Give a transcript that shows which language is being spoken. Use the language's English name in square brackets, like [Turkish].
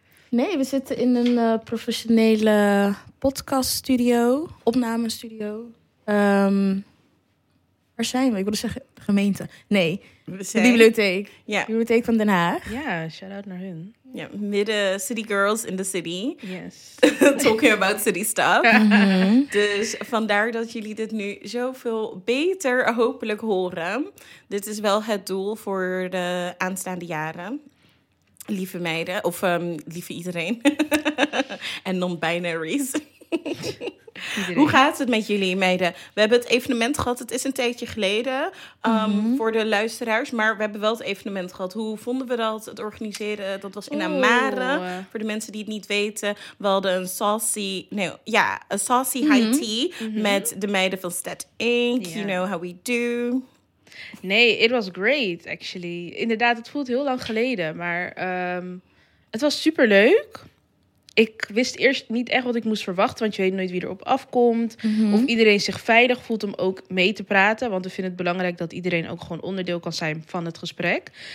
[Dutch] Nee, we zitten in een professionele podcaststudio, opnamestudio. Waar zijn we? Ik wilde zeggen gemeente. Nee. De bibliotheek. Ja. De bibliotheek van Den Haag. Ja, shout-out naar hun. Ja, midden [English] city girls in the city. Yes. Talking about city stuff. [Dutch] Dus vandaar dat jullie dit nu zoveel beter hopelijk horen. Dit is wel het doel voor de aanstaande jaren. Lieve meiden, of lieve iedereen. En non-binaries. Iedereen. Hoe gaat het met jullie, meiden? We hebben het evenement gehad. Het is een tijdje geleden voor de luisteraars. Maar we hebben wel het evenement gehad. Hoe vonden we dat? Het organiseren, dat was in Amare. Voor de mensen die het niet weten. We hadden een saucy... een saucy high tea met de meiden van Stat Inc. [English] Yeah. You know how we do. Nee, it was great, actually. [Dutch] Inderdaad, het voelt heel lang geleden. Maar het was superleuk. Ik wist eerst niet echt wat ik moest verwachten, want je weet nooit wie erop afkomt. Mm-hmm. Of iedereen zich veilig voelt om ook mee te praten. Want we vinden het belangrijk dat iedereen ook gewoon onderdeel kan zijn van het gesprek.